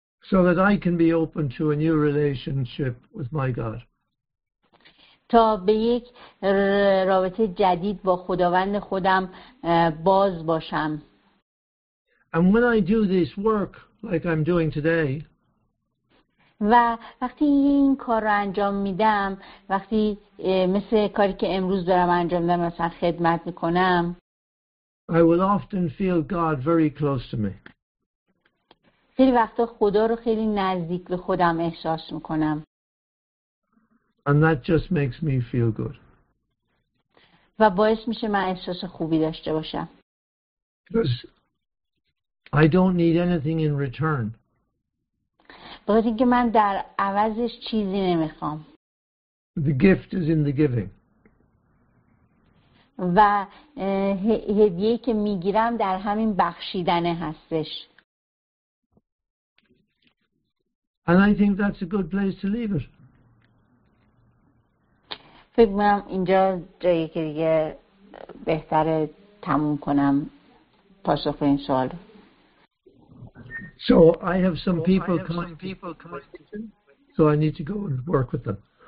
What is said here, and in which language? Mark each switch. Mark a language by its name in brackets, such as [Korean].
[English] So that I can be open to a new relationship with my God. [Persian] تا به یک رابطه جدید با خداوند خودم باز باشم. [English] And when I do this work like I'm doing today, [Persian] و وقتی این کار رو انجام میدم، وقتی مثل کاری که امروز دارم انجام میدم مثلا خدمت میکنم، [English] I will often feel God very close to me. [Persian] خیلی وقتا خدا رو خیلی نزدیک به خودم احساس میکنم. [English] And that just makes me feel good. [Persian] و باعث میشه من احساس خوبی داشته باشم. [English] Because I don't need anything in return. [Persian] باید اینکه من در عوضش چیزی نمیخوام. [English] The gift is in the giving. [Persian] و هدیه که میگیرم در همین بخشیدنه هستش. [English] And I think that's a good place to leave it. [Persian] فکر می‌کنم اینجا جایی که دیگه بهتره تموم کنم پاسخ این سوال. [English] So I have some people coming to me. So I need to go and work with them.